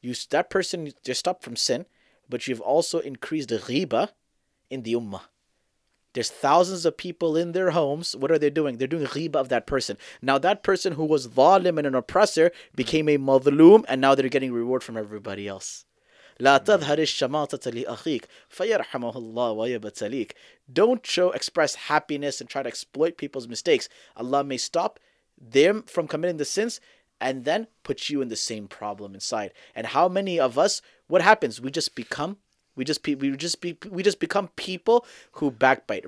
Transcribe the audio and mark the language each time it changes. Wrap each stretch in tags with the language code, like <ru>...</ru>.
<en>That person just stopped from sin, but you've also increased the ghiba in the ummah. There's thousands of people in their homes. What are they doing? They're doing ghiba of that person. Now that person who was zalim and an oppressor became a mazloom, and now they're getting reward from everybody else.</en> <ar>لا تظهر الشماتة لأخيك فيرحمه الله ويبتليك.</ar> <en>Don't show, express happiness and try to exploit people's mistakes. Allah may stop them from committing the sins and then put you in the same problem inside. And how many of us, what happens? We just become people who backbite.</en>